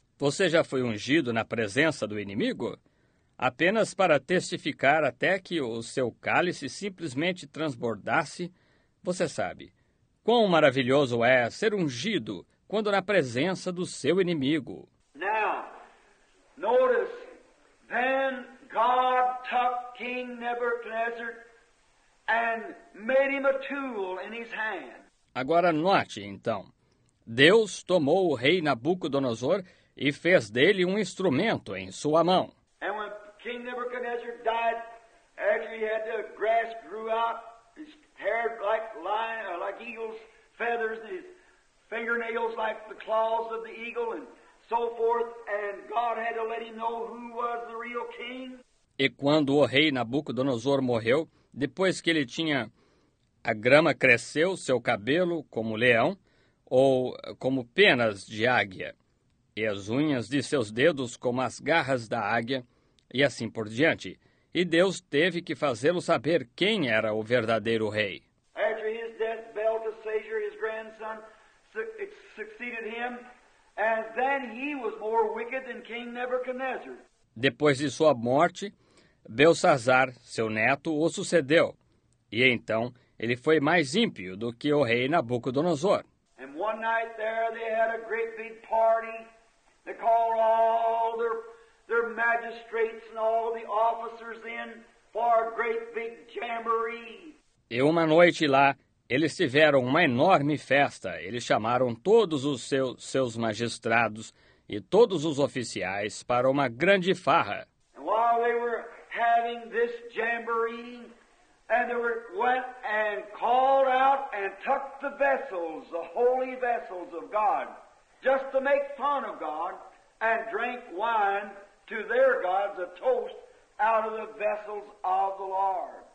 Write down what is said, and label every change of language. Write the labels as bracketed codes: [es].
[pt] Você já foi ungido na presença do inimigo? Apenas para testificar até que o seu cálice simplesmente transbordasse, você sabe. Quão maravilhoso é ser ungido quando na presença do seu inimigo. [en] Now, notice, then God took King Nebuchadnezzar and made him a tool in his hand. [pt] Agora note, então. Deus tomou o rei Nabucodonosor e fez dele um instrumento em sua mão. [en] And when King Nebuchadnezzar died, actually heavy head, the grass grew out, his hair like lion, like eagle's feathers, his fingernails like the claws of the eagle, and so forth, and God had to let him know who was the real king. [pt] E quando o rei Nabucodonosor morreu, depois que ele tinha a grama cresceu, seu cabelo como leão, ou como penas de águia, e as unhas de seus dedos como as garras da águia, e assim por diante. E Deus teve que fazê-lo saber quem era o verdadeiro rei. [en] After his death, Belteshazzar, his grandson, succeeded him, and then he was more wicked than King Nebuchadnezzar. [pt] Depois de sua morte, Belsazar, seu neto, o sucedeu. E então, ele foi mais ímpio do que o rei Nabucodonosor. [en] And one night there they had a great big party. They called all their magistrates and all the officers in for a great big jamboree. [pt] E uma noite lá, eles tiveram uma enorme festa. Eles chamaram todos os seus magistrados e todos os oficiais para uma grande farra. [en] And while they were having this jamboree, and they went and called out and took the vessels, the holy vessels of God, just to make fun of God, and drank wine to their gods, a toast, out of the vessels of the Lord.